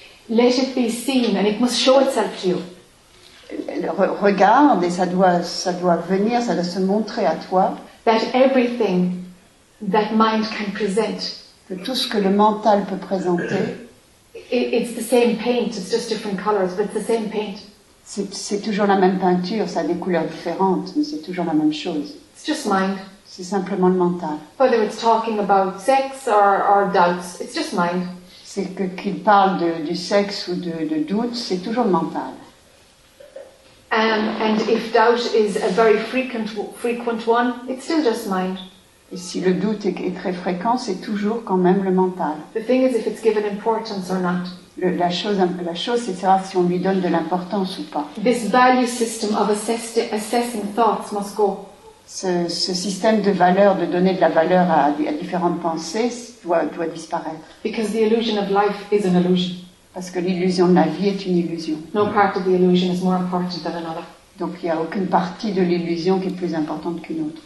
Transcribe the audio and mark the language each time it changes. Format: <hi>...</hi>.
<en>Let it be seen and it must show itself to you.</en> <fr>Regarde et ça doit venir, ça doit se montrer à toi.</fr> <en>That everything that mind can present,</en> <fr>que tout ce que le mental peut présenter,</fr> <en>it's the same paint, it's just different colors, but it's the same paint.</en> <fr>C'est toujours la même peinture, ça a des couleurs différentes, mais c'est toujours la même chose.</fr> <en>It's just mind.</en> <fr>C'est simplement le mental.</fr> <en>Whether it's talking about sex or doubts, it's just mind.</en> <fr>C'est que qu'il parle du sexe ou de doutes, c'est toujours le mental.</fr> <en>And if doubt is a very frequent one, it's still just mind.</en> <fr>Et si le doute est très fréquent, c'est toujours quand même le mental.</fr> <en>The thing is if it's given importance or not.</en> <fr>La chose, c'est de savoir si on lui donne de l'importance ou pas.</fr> <en>This value system of assessing thoughts must go.</en> <fr>Ce système de valeur, de donner de la valeur à différentes pensées, doit disparaître.</fr> <en>Because the illusion of life is an illusion.</en> <fr>Parce que l'illusion de la vie est une illusion.</fr> <en>No part of the illusion is more important than another.</en> <fr>Donc il n'y a aucune partie de l'illusion qui est plus importante qu'une autre.</fr>